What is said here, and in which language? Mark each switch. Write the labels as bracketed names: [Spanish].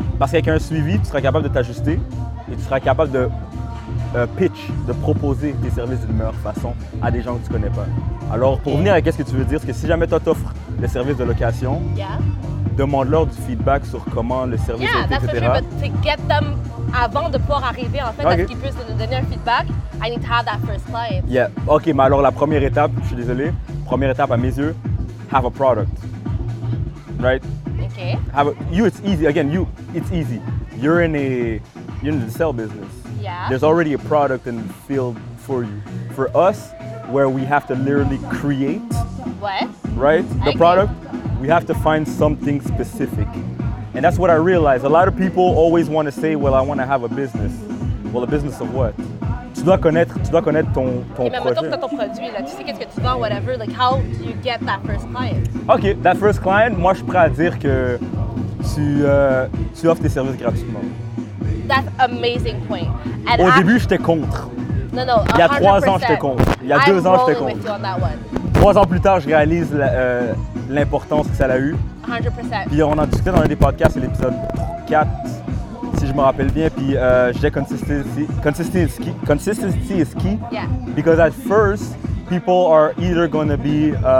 [French] Parce qu'avec un suivi, tu seras capable de t'ajuster et tu seras capable de... pitch, de proposer des services d'une meilleure façon à des gens que tu connais pas. Alors, pour venir à ce que tu veux dire, c'est que si jamais toi t'offres le service de location, [English] yeah. [French] demande-leur du feedback sur comment le service [English] yeah, [French] a été, etc. [English] Yeah, that's what I'm saying, but to get them [French] avant de pouvoir arriver, en fait, [English] okay. [French] à ce qu'ils puissent nous donner un feedback, [English] I need to have that first client. [French] Yeah, OK, mais alors la première étape, je suis désolé, première étape à mes yeux, [English] have a product, right? OK. Have a, you, it's easy, again, you, it's easy. You're in the cell business. Yeah. There's already a product in the field for you. For us, where we have to literally create. What? Right? The okay. product, we have to find something specific. And that's what I realized. A lot of people always want to say, well, I want to have a business. Well, a business of what? [French] Tu dois connaître ton projet. Mais mettons que t'as ton produit, là. Tu sais qu'est-ce que tu vends, whatever. [English] Like, how do you get that first client? OK, that first client, [French] moi, je suis prêt à dire que tu offres tes services gratuitement. [English] That's amazing point. [French] And au début, j'étais contre. [English] No, [French] il y a trois ans, j'étais contre. Il y a deux ans, j'étais contre. [English] With you on that one. [French] Trois ans plus tard, je réalise l'importance que ça a eu. 100%. Puis on en discutait dans un des podcasts, c'est l'épisode 4, si je me rappelle bien. Puis j'ai [English] consistency is key. Yeah. Because at first, people are either going to be...